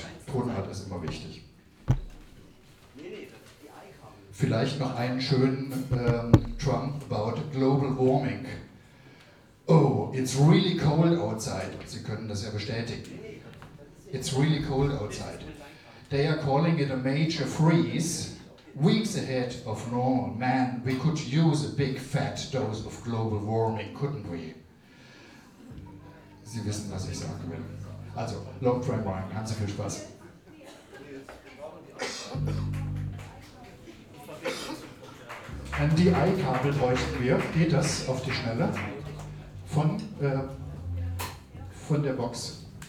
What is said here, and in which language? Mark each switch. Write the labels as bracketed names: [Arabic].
[German] Tonart ist immer wichtig. Vielleicht noch einen schönen Trump [English] about global warming. Oh, it's really cold outside. [German] Sie können das ja bestätigen. [English] It's really cold outside. They are calling it a major freeze. Weeks ahead of normal, man, we could use a big fat dose of global warming, couldn't we? [German] Sie wissen, was ich sagen will. Also, [English] long train running, [German] haben Sie viel Spaß. Ein DI-Kabel bräuchten wir, geht das auf die Schnelle? Von der Box.